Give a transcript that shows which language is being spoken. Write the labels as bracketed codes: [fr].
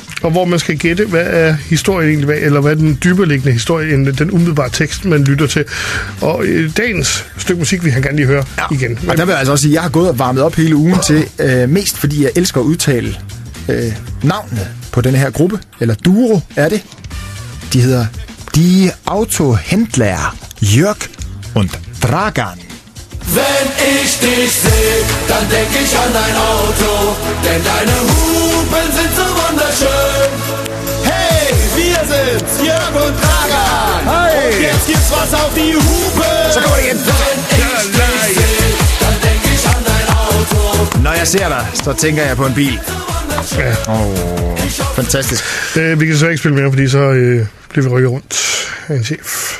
[da] Og hvor man skal gætte, hvad er historien egentlig, eller hvad er den dybereliggende historie, end den umiddelbare tekst, man lytter til. Og dagens stykke musik, vi har gerne lige høre igen. Og der vil jeg altså også sige, at jeg har gået og varmet op hele ugen til, mest fordi jeg elsker at udtale navnet på den her gruppe, eller duo er det. De hedder De Autohändler Jörg und Dragan. [de] Wenn ich dich seh, dann denk ich an dein Auto, denn deine Hupen sind so wunderschön. Hey, wir sind Jörg und Dragan. Hey. Und jetzt gibt's was auf die Hupen. So, komm mal hier. Wenn ich dich seh, dann denk ich an dein Auto. [da] Når jeg ser dig, så tænker jeg på en bil. Ja. Fantastisk. Vi kan så ikke spille mere, fordi så bliver vi rykket rundt af en chef.